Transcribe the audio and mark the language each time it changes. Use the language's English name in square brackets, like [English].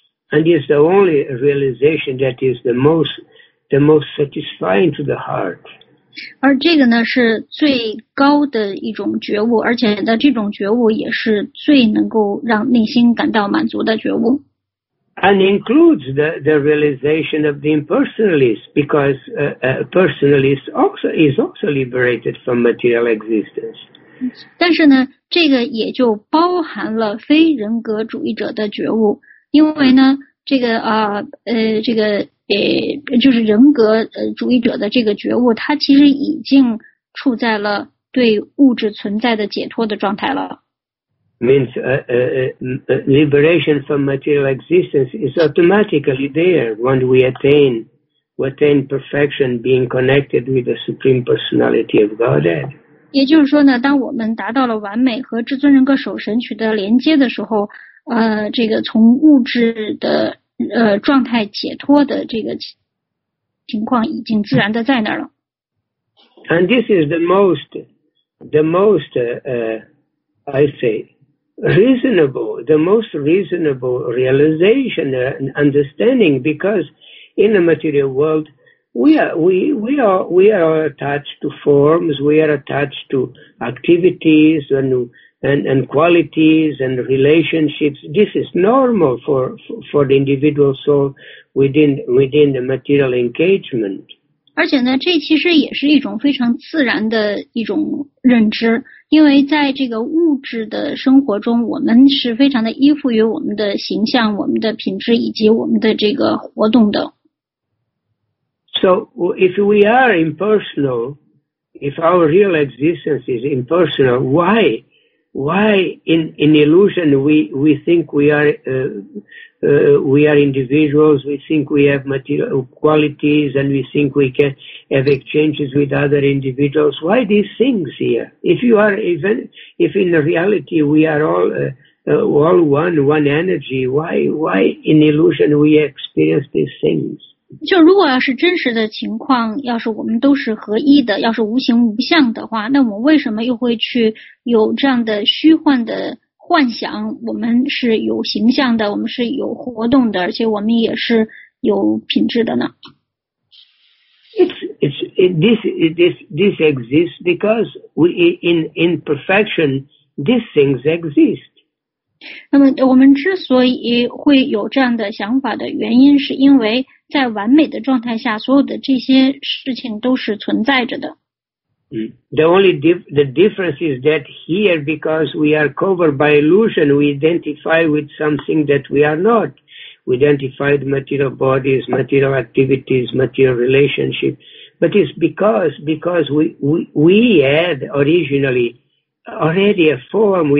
[English] And it's the only realization that is the most satisfying to the heart. [Chinese] 而这个呢是最高的一种觉悟，而且呢这种觉悟也是最能够让内心感到满足的觉悟。 [English] And includes the realization of the impersonalist, because personalist also is also liberated from material existence. [Chinese] 但是呢，这个也就包含了非人格主义者的觉悟，因为呢，这个啊这个就是人格主义者的这个觉悟，它其实已经处在了对物质存在的解脱的状态了。 [English] Means liberation from material existence is automatically there when we attain perfection, being connected with the supreme personality of Godhead. [Chinese] 也就是说呢，当我们达到了完美和至尊人格守神取得连接的时候，这个从物质的状态解脱的这个情况已经自然的在那儿了。 [English] And this is the most reasonable realization and understanding, because in the material world we are attached to forms, we are attached to activities and qualities and relationships. This is normal for the individual soul within the material engagement. [Chinese] 而且呢，这其实也是一种非常自然的一种认知。因为在这个物质的生活中，我们是非常的依附于我们的形象、我们的品质以及我们的这个活动的。 [English] So if we are impersonal, if our real existence is impersonal, why in illusion we think we are individuals, we think we have material qualities, and we think we can have exchanges with other individuals. Why these things here? If in reality we are all one energy, why in illusion we experience these things? [Chinese] 就如果要是真实的情况，要是我们都是合一的，要是无形无相的话，那我们为什么又会去有这样的虚幻的幻想，我们是有形象的，我们是有活动的，而且我们也是有品质的呢。 [English] This exists because we in perfection these things exist. [Chinese] 那么我们之所以会有这样的想法的原因，是因为在完美的状态下，所有的这些事情都是存在着的。 [English] The only the difference is that here, because we are covered by illusion, we identify with something that we are not. We identify the material bodies, material activities, material relationship. But it's because we had originally already a form.